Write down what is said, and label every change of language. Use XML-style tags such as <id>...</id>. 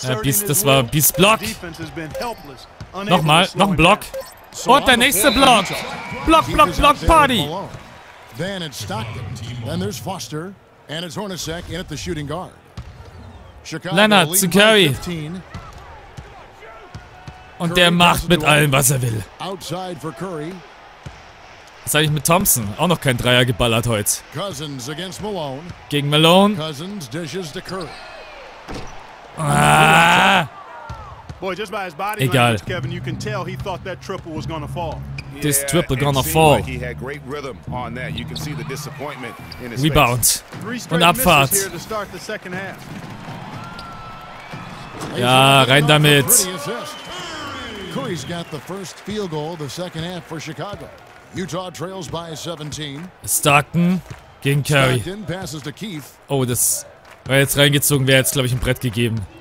<de>Beast, das war Beast Block.</de> <en>Helpless,</en> <de>nochmal, noch ein Block. So und der nächste Block. Block, Party.</de> <en>Then it's Stockton. Then there's Foster. And it's Hornacek in at the shooting guard.</en> <de>Chicago Leonard zu Curry. Und der macht mit allem, was er will.</de> <en>Outside for Curry.</en> <de>Was habe ich mit Thompson? Auch noch kein Dreier geballert heute.</de> <en>Cousins against Malone.</en> <de>Gegen Malone.</de> <en>Cousins dishes to Curry. Ah. Boy, just by his body language, Kevin, you can tell he thought that triple was gonna fall. This triple gonna fall. Like he had great rhythm on that. You can see the disappointment in his rebound.</en> <de>Und Abfahrt.</de> <en>Here to start the second half.</en> <de>Ja, rein damit.</de> <en>Curry's got the first field goal of the second half for Chicago. Utah trails by 17.</en> <de>Stockton gegen Curry. Oh, das war jetzt reingezogen, wäre jetzt, glaube ich, ein Brett gegeben.</de>